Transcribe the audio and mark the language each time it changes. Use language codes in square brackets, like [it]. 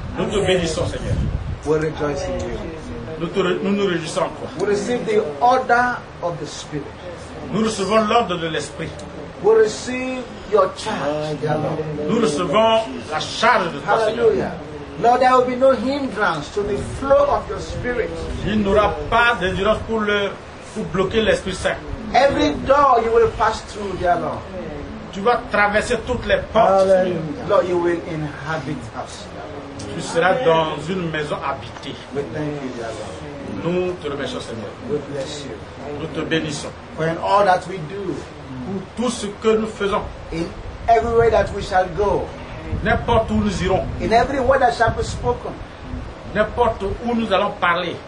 [fr] Nous te bénissons, Seigneur. [en] We rejoice in you. [fr] Nous réjouissons encore. [en] We receive the order of the Spirit. [fr] Nous recevons l'ordre de l'Esprit. [en] We receive your charge, dear Lord. [fr] Nous recevons la charge de toi, Seigneur. [en] Lord, there will be no hindrance to the flow of your Spirit. [fr] Il n'aura pas de hindrance pour le pour bloquer l'Esprit Saint. [en] Every door you will pass through, dear Lord. [fr] Tu vas traverser toutes les portes. [en] Lord, you will inhabit us. [fr] Tu seras dans une maison habitée. [en] We thank you, dear Lord. [fr] Nous te remercions, Seigneur. [en] We bless you. [fr] Nous te bénissons. [en] For in all that we do, [fr] pour tout ce que nous faisons, [en] in every way that we shall go, [fr] n'importe où nous irons, [en] in every word that shall be spoken, [fr] n'importe où nous allons parler,